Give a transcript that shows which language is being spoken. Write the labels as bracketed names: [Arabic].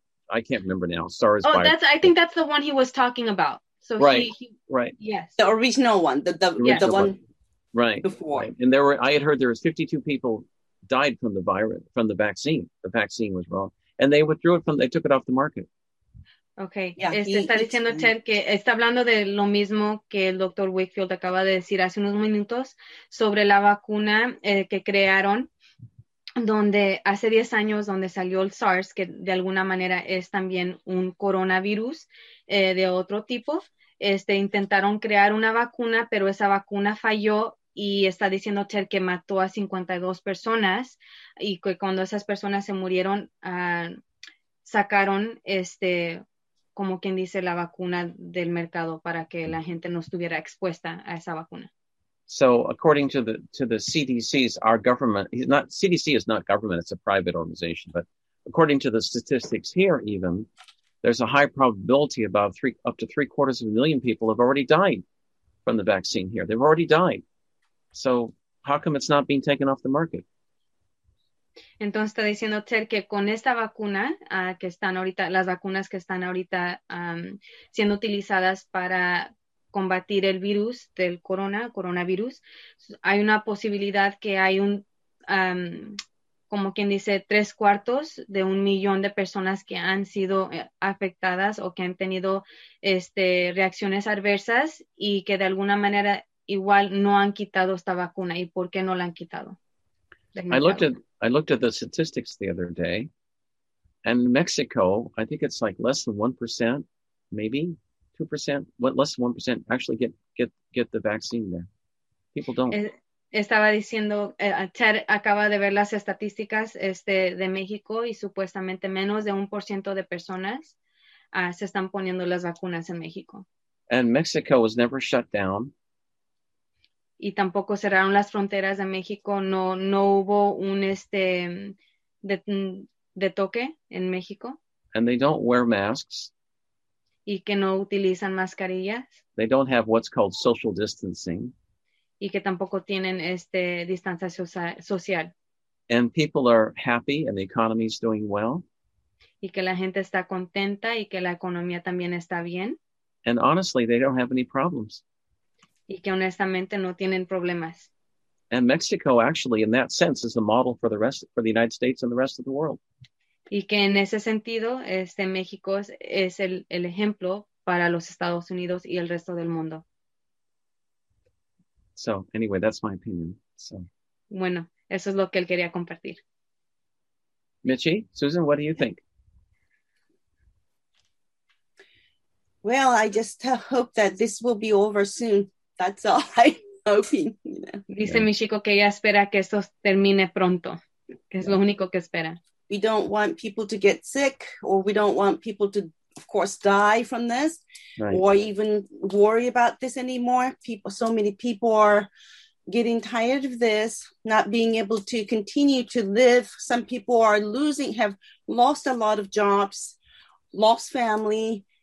[English] I can't remember now. SARS. Oh, that's. I think that's the one he was talking about. So right. Right. Yes. The original one. The original one. Right. Before. Right. And I had heard there was 52 people died from the virus, from the vaccine. The vaccine was wrong, and they withdrew it from. They took it off the market. Okay. Yeah. [Spanish] Está diciendo Ted que está hablando de lo mismo que el doctor Wakefield acaba de decir hace unos minutos sobre la vacuna que crearon. Donde hace 10 años, donde salió el SARS, que de alguna manera es también un coronavirus de otro tipo, intentaron crear una vacuna, pero esa vacuna falló y está diciendo Ted que mató a 52 personas y que cuando esas personas se murieron, sacaron como quien dice, la vacuna del mercado para que la gente no estuviera expuesta a esa vacuna. [English] So according to the CDC's, our government, CDC is not government, it's a private organization, but according to the statistics here even, there's a high probability about up to three quarters of a million people have already died from the vaccine here. They've already died. So how come it's not being taken off the market? [Spanish] Entonces está diciendo Ter que con esta vacuna que están ahorita, las vacunas que están ahorita siendo utilizadas para combatir el virus del coronavirus, hay una posibilidad que hay un, como quien dice, 750,000 de personas que han sido afectadas o que han tenido reacciones adversas y que de alguna manera igual no han quitado esta vacuna. ¿Y por qué no la han quitado? [English] I looked at the statistics the other day, and Mexico, I think it's like less than 1%, maybe 2%, what, less than 1% actually get the vaccine there. People don't. [Spanish] Estaba diciendo, Ted acaba de ver las estadísticas de México y supuestamente menos de 1% de personas se están poniendo las vacunas en México. [English] And Mexico was never shut down. [Spanish] Y tampoco cerraron las fronteras de México. No hubo un de toque en México. [English] And they don't wear masks. [Spanish] Y que no utilizan mascarillas. [English] They don't have what's called social distancing. [Spanish] Y que tampoco tienen distancia social. [English] And people are happy and the economy is doing well. [Spanish] Y que la gente está contenta y que la economía también está bien. [English] And honestly, they don't have any problems. [Spanish] Y que honestamente no tienen problemas. [English] And Mexico actually, in that sense, is a model for the United States and the rest of the world. [Spanish] Y que en ese sentido, México es el ejemplo para los Estados Unidos y el resto del mundo. [English] So, anyway, that's my opinion. So. [Spanish] Bueno, eso es lo que él quería compartir. [English] Michi, Susan, what do you think? Well, I just hope that this will be over soon. That's all I'm hoping. [Spanish] Dice mi chico que ella espera que esto termine pronto, que es lo único que espera. [English] We don't want people to get sick, or we don't want people to of course, die from this, right, or even worry about this anymore. People, so many people are getting tired of this, not being able to continue to live. Some people are losing, have lost a lot of jobs, lost family.